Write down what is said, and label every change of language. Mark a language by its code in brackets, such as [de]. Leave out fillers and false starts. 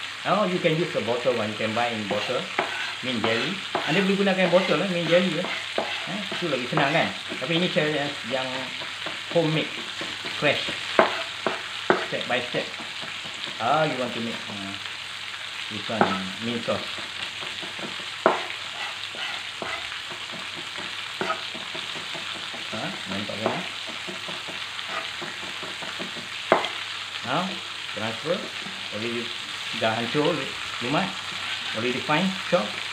[en] Oh, you can use the bottle one. You can buy in bottle. Mint jelly. [ms] Anda boleh gunakan bottle. [en] Mint jelly. [ms] Itu lagi senang kan. Tapi ini cara yang homemade fresh. [en] Step by step. Ah, you want to make this one mint sauce. [ms] Nampak kan? [en] Now, transfer. Already [ms] dah hancur lumat. [en] Already fine, chop.